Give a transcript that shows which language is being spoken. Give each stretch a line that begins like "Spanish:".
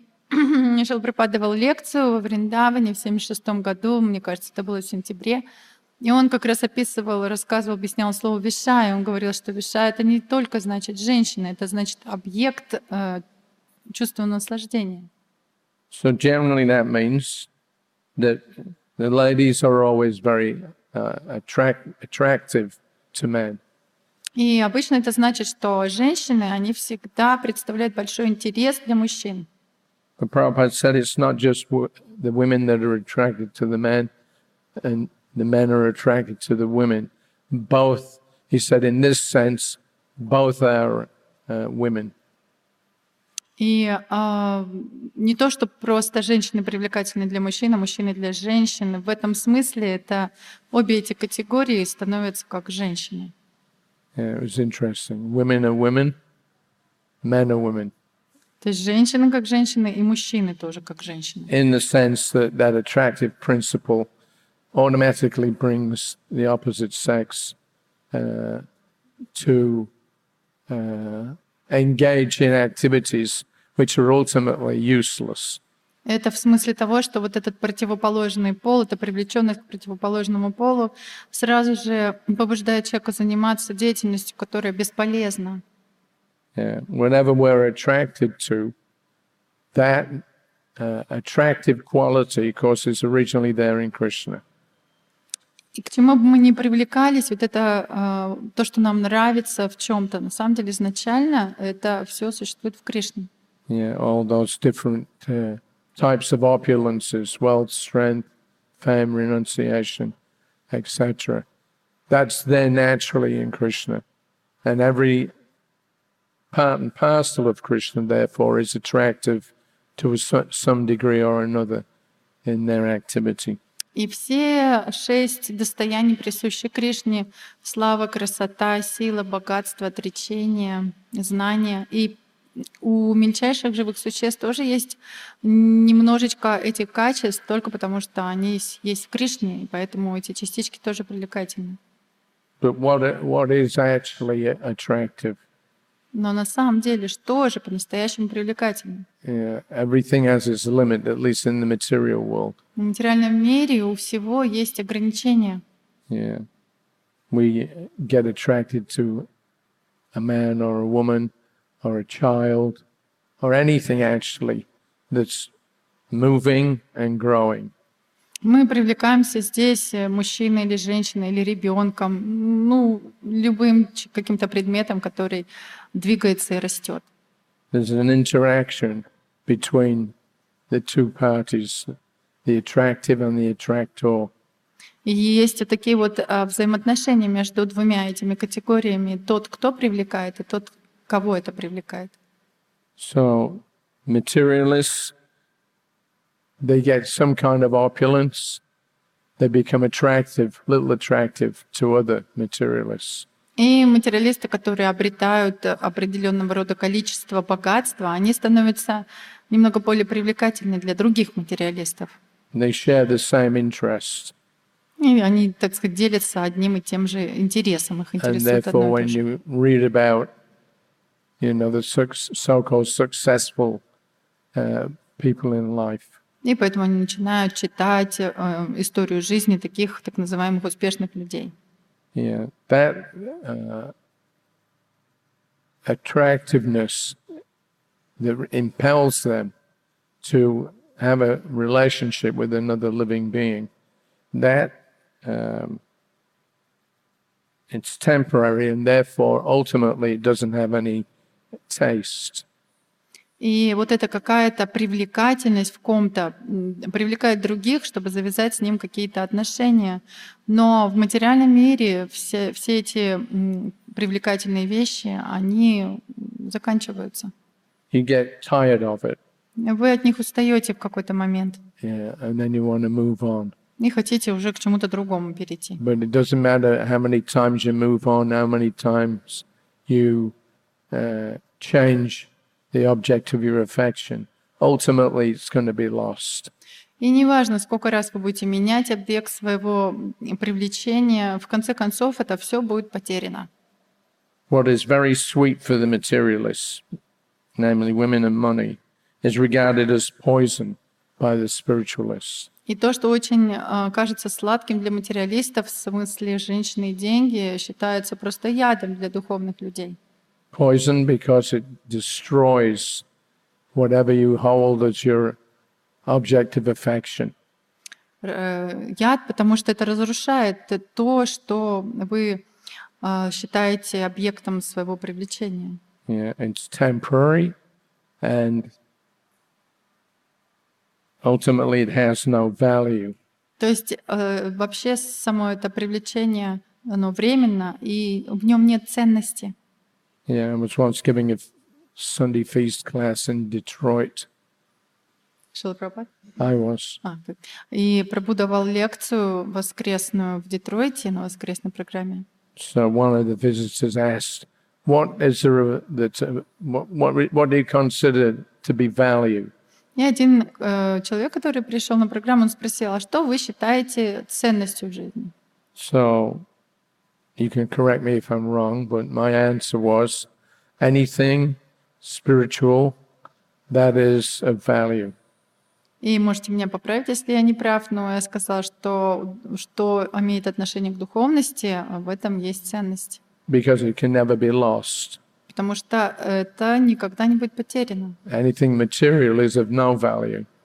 Russian: Шрила Прабхупада давал лекцию во Вриндаване в 76 году, мне кажется, это было в сентябре. И он как раз описывал, рассказывал, объяснял слово «вишай». Он говорил, что «вишай» — это не только значит «женщина», это значит объект чувства наслаждения.
English: So generally that means that the ladies are always very attractive to men.
Russian: И обычно это значит, что женщины, они всегда представляют большой интерес для мужчин.
English: But Prabhupada said it's not just the women that are attracted to the men and the men are attracted to the women. Both, he said, in this sense, both are women.
Russian: И не то, что просто женщины привлекательны для мужчин, а мужчины для женщин. В этом смысле это обе эти категории становятся как женщины.
English: Yeah, it was interesting. Women are women, men are women.
Russian: То есть женщины как женщины и мужчины тоже как женщины.
English: In the sense that that attractive principle automatically brings the opposite sex to engage in activities which are ultimately useless.
Russian: Это в смысле того, что вот этот противоположный пол, эта привлеченность к противоположному полу, сразу же побуждает человека заниматься деятельностью, которая бесполезна.
English: Yeah. Whenever we're attracted to, that attractive quality, of course, is originally there in Krishna.
Russian: И к чему бы мы ни привлекались, вот это то, что нам нравится в чем-то, на самом деле изначально это все существует в Кришне.
English: Yeah, all those different types of opulences, wealth, strength, fame, renunciation, etc. That's there naturally in Krishna. And every part and parcel of Krishna, therefore, is attractive to some degree or another in their activity.
Russian: И все шесть достояний, присущие Кришне, слава, красота, сила, богатство, отречение, знание. И у мельчайших живых существ тоже есть немножечко этих качеств, только потому что они есть в Кришне, и поэтому эти частички тоже привлекательны.
English: But what is actually attractive?
Russian: Но на самом деле, что же по-настоящему привлекательно?
English: Yeah, everything has its limit, at least in the material world.
Russian: В материальном мире у всего есть ограничения.
English: Yeah. We get attracted to a man or a woman or a child or anything actually that's moving and growing.
Russian: Мы привлекаемся здесь мужчиной или женщиной или ребенком, ну, любым каким-то предметом, который двигается и растет.
English: There's an interaction between the two parties, the attractive and the attractor.
Russian: Есть такие вот взаимоотношения между двумя этими категориями, тот, кто привлекает, и тот, кого это привлекает.
English: So, materialists, they get some kind of opulence, they become attractive, little attractive to other materialists.
Russian: И материалисты, которые обретают определенного рода количество богатства, они становятся немного более привлекательны для других материалистов.
English: They share the same interests.
Russian: И они, так сказать, делятся одним и тем же интересом, их интересует одно и то же.
English: And therefore, when you read about, you know, the so-called successful people in life.
Russian: И поэтому они начинают читать историю жизни таких так называемых успешных людей.
English: Yeah, that attractiveness that impels them to have a relationship with another living being, that it's temporary and therefore ultimately it doesn't have any taste.
Russian: И вот эта какая-то привлекательность в ком-то привлекает других, чтобы завязать с ним какие-то отношения. Но в материальном мире все эти привлекательные вещи, они заканчиваются.
English: You get tired of it.
Russian: Вы от них устаете в какой-то момент.
English: Yeah, and then you want to move on.
Russian: И хотите уже к чему-то другому перейти.
English: But it doesn't matter how many times you move on, how many times you change the object of your affection, ultimately it's going to be lost.
Russian: И неважно, сколько раз вы будете менять объект своего привлечения, в конце концов это все будет потеряно.
English: What is very sweet for the materialists, namely women and money, is regarded as poison by the spiritualists.
Russian: И то, что очень кажется сладким для материалистов, в смысле женщины и деньги, считается просто ядом для духовных людей.
English: Poison, because it destroys whatever you hold as your object of affection.
Russian: Яд, потому что это разрушает то, что вы считаете объектом своего привлечения.
English: Yeah, it's temporary, and ultimately it has no value.
Russian: То есть вообще само это привлечение, оно временно, и в нем нет ценности.
English: Yeah, I was once giving a Sunday feast class in Detroit.
Russian: Шрила Прабхупада?
English: I was.
Russian: И Прабхупада давал лекцию воскресную в Детройте на воскресной программе.
English: So one of the visitors asked, "What is there that what do you consider to be value?"
Russian: И один человек, который пришел на программу, он спросил, а что вы считаете ценностью в жизни?
English: So you can correct me if I'm wrong, but my answer was anything spiritual that is of value.
Russian: И можете меня поправить, если я не прав, но я сказала, что имеет отношение к духовности, в этом есть ценность.
English: Because it can never be lost.
Russian: Потому что это никогда не будет потеряно.
English: Anything material is of no value.